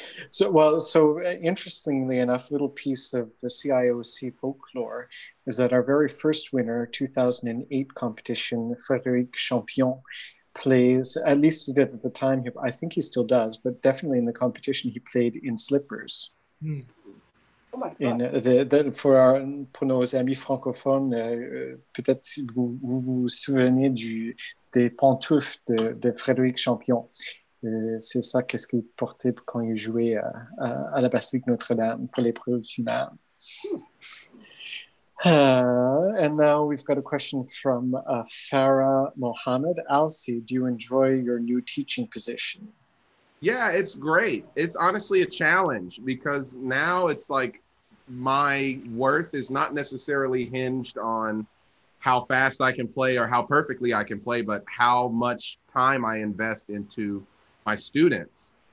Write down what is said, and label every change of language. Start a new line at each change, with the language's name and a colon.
English: So interestingly enough, a little piece of the CIOC folklore is that our very first winner, 2008 competition, Frédéric Champion, plays, at least he did at the time, I think he still does, but definitely in the competition, he played in slippers. Hmm. Oh my God.
French: Pour nos amis francophones, peut-être si vous vous souvenez des pantoufles de Frédéric Champion. C'est ça qu'est-ce qu'il portait quand il jouait à la Basilique Notre-Dame pour l'épreuve finale.
English: And now we've got a question from Farah Mohammed. Alcée, do you enjoy your new teaching position? Yeah, it's great. It's honestly a challenge because now it's like, my worth is not necessarily hinged on how fast I can play or how perfectly I can play, but how much time I invest into my students.